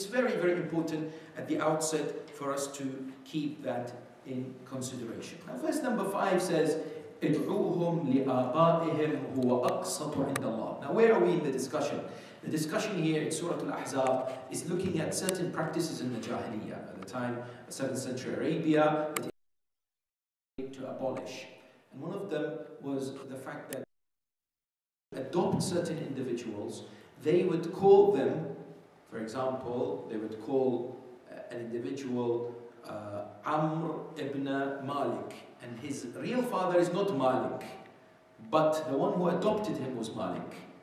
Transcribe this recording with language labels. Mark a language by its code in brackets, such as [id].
[en] It's very, very important at the outset for us to keep that in consideration. Now, verse number 5 says, [ar] اِدْعُوهُمْ لِآبَائِهِمْ هُوَ أَقْصَطُ عِنْدَ اللَّهِ. [en] Now, where are we in the discussion? The discussion here in Surah Al-Ahzab is looking at certain practices in the Jahiliyyah at the time, 7th century Arabia, that to abolish. And one of them was the fact that adopt certain individuals, they would call them, for example, they would call an individual Amr ibn Malik, and his real father is not Malik, but the one who adopted him was Malik.